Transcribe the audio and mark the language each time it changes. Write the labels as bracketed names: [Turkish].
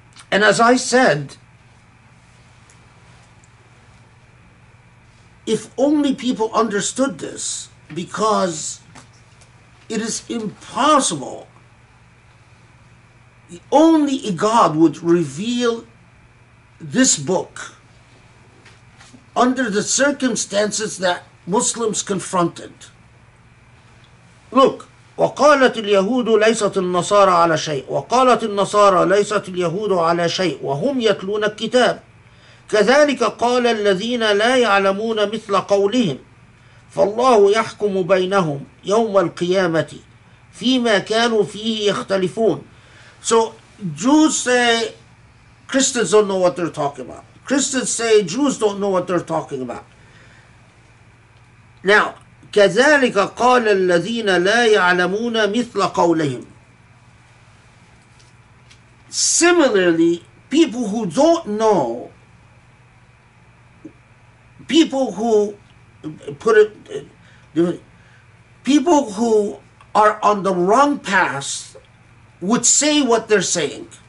[English] And as I said, if only people understood this, because it is impossible. Only a God would reveal this book under the circumstances that Muslims confronted. Look. [Arabic] وقالت اليهود ليست النصارى على شيء وقالت النصارى ليست اليهود على شيء وهم يتلون الكتاب كذلك قال الذين لا يعلمون مثل قولهم فالله يحكم بينهم يوم القيامة فيما كانوا فيه يختلفون. [English] So Jews say Christians don't know what they're talking about. Christians say Jews don't know what they're talking about. Now [Arabic] كذلك قال الذين لا يعلمون مثل قولهم. [English] Similarly, people who don't know, people who are on the wrong path would say what they're saying.